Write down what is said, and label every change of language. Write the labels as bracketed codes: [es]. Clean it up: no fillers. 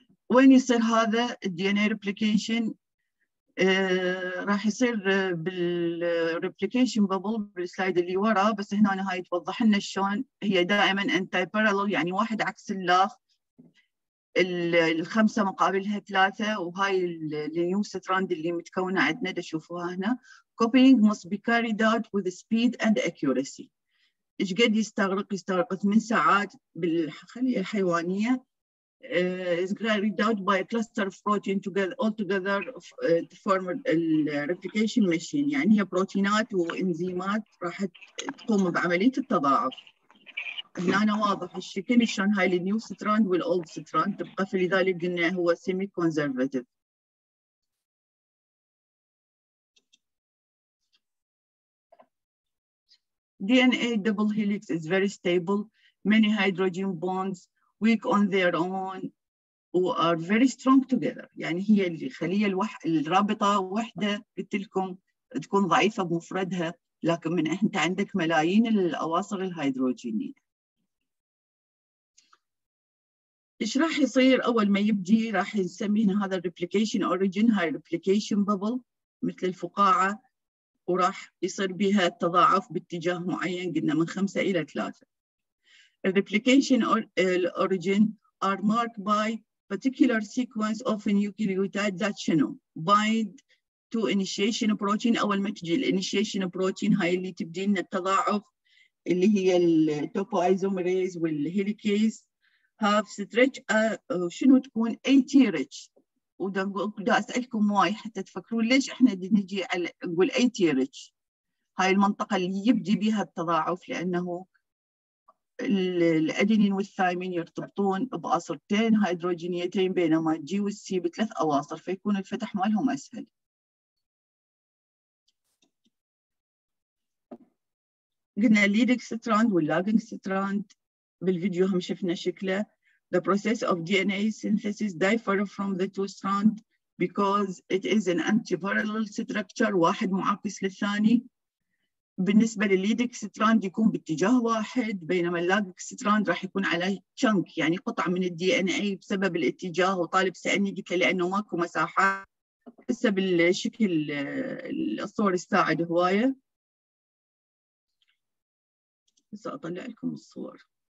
[ar] وين يصير هذا الدي ان اي ريبليكيشن؟ راح يصير بالريبليكيشن بابل بالسلايد اللي ورا، بس هنا أنا هاي توضح لنا شلون هي دائما انتي بارالل، يعني واحد عكس الاخ، الخمسه مقابلها ثلاثه، وهاي النيو ستراند اللي متكونه عندنا تشوفوها هنا. [en] Coping must be carried out with speed and accuracy. [ar] ايش قد يستغرق؟ يستغرق 8 ساعات بالخليه الحيوانيه. [en] Is carried out by a cluster of protein together altogether to form a replication machine. [ar] يعني هي بروتينات وانزيمات راح تقوم بعمليه التضاعف. هنا أنا واضح الشكل شلون هاي النيو ستراند والاولد ستراند تبقى، فلذلك قلنا هو سيمي كونزرفاتيف. [en] DNA double helix is very stable, many hydrogen bonds weak on their own are very strong together. [ar] يعني هي الخلية الرابطة وحدة قلت لكم تكون ضعيفة بمفردها، لكن من أنت عندك ملايين الأواصر الهيدروجينية. إيش راح يصير أول ما يبدي؟ راح نسميه هذا replication origin، هاي replication bubble مثل الفقاعة، وراح يصير بها التضاعف باتجاه معين قلنا من 5 إلى 3. [en] The replication origin are marked by particular sequence of nucleotides that [ar] شنو [en] bind to initiation protein. [ar] أول ما تجي initiation protein هاي اللي تبدي لنا التضاعف اللي هي topoisomerase والhelicase [en] have stretch [ar] شنو تكون AT rich. ودا أسألكم واي حتى تفكروا ليش إحنا دي نجي على نقول AT rich، هاي المنطقة اللي يبدي بها التضاعف، لأنه الأدينين والثايمين يرتبطون بأصرتين هيدروجينيتين بينما الجي والسي بثلاث أواصر، فيكون الفتح مالهم أسهل. قلنا leading strand واللاجنج strand بالفيديو هم شفنا شكله. [en] The process of DNA synthesis differ from the two strand because it is an antiparallel structure، [ar] واحد معاكس للثاني. بالنسبة للليدك ستراند يكون باتجاه واحد، بينما اللاجك ستراند راح يكون على شنك، يعني قطع من الدي ان اي بسبب الاتجاه. وطالب سألني قلت له لأنه ماكو مساحة، هسه بالشكل الصور يساعد هواية، هسه أطلع لكم الصور.